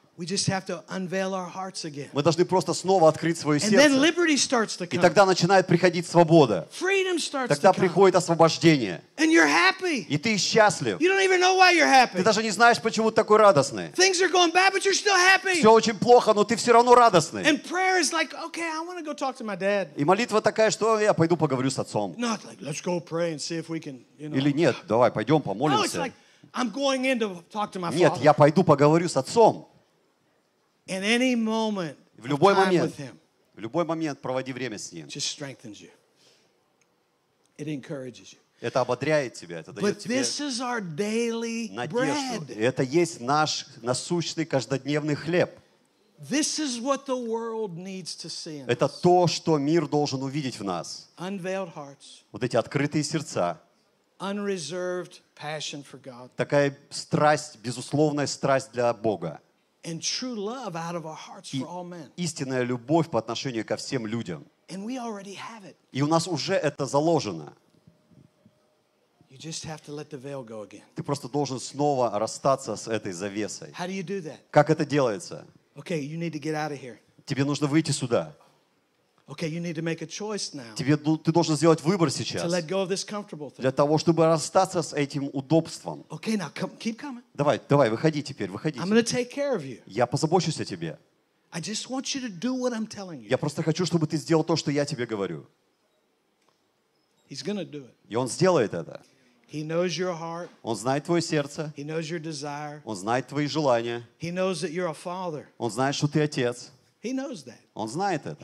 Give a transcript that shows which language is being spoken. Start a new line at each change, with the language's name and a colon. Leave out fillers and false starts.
English: We just have to unveil our hearts again.
Russian: Мы должны просто снова открыть свое сердце.
English: And then liberty starts to come.
Russian: И тогда начинает приходить свобода.
English: Freedom starts to come.
Russian: Тогда приходит освобождение.
English: And you're happy.
Russian: И ты счастлив.
English: You don't even know why you're happy.
Russian: Ты даже не знаешь, почему ты такой радостный.
English: Things are going bad, but you're still happy.
Russian: Все очень плохо, но ты все равно радостный.
English: And prayer is like, okay, I want to go talk to my dad.
Russian: И молитва такая, что я пойду поговорю с отцом.
English: Not like, let's go pray and see if we can, you know.
Russian: Или нет, давай пойдем помолимся.
English: No, it's like, I'm going in to talk to my father.
Russian: Нет, я пойду поговорю с отцом.
English: In any moment,
Russian: в любой момент, в любой момент проводи время с ним.
English: Just strengthens you. It encourages you.
Russian: Это ободряет тебя, это дает тебе.
English: But this is our daily bread.
Russian: Это есть наш насущный каждодневный хлеб.
English: This is what the world needs to see.
Russian: Это то, что мир должен увидеть в нас.
English: Unveiled hearts.
Russian: Вот эти открытые сердца.
English: Unreserved passion for God.
Russian: Такая страсть, безусловная страсть для Бога.
English: And true love out of our hearts for all men.
Russian: Истинная любовь по отношению ко всем людям.
English: And we already have it.
Russian: И у нас уже это заложено.
English: You just have to let the veil go again.
Russian: Ты просто должен снова расстаться с этой завесой.
English: How do you do that?
Russian: Как это делается?
English: Okay, you need to get out of here.
Russian: Тебе нужно выйти сюда.
English: Okay, you need to make a choice now.
Russian: Тебе ты должен сделать выбор сейчас.
English: To let go of this comfortable thing.
Russian: Для того, чтобы расстаться с этим удобством.
English: Okay, now come, keep coming.
Russian: Давай, давай, выходи теперь, выходи.
English: I'm gonna take care of you.
Russian: Я позабочусь о тебе.
English: I just want you to do what I'm telling you.
Russian: Я просто хочу, чтобы ты сделал то, что я тебе говорю.
English: He's gonna do it.
Russian: И он сделает это.
English: He knows your heart.
Russian: Он знает твое сердце.
English: He knows your desire.
Russian: Он знает твои желания.
English: He knows that you're a father.
Russian: Он знает, что ты отец.
English: He knows that.
Russian: Он знает это.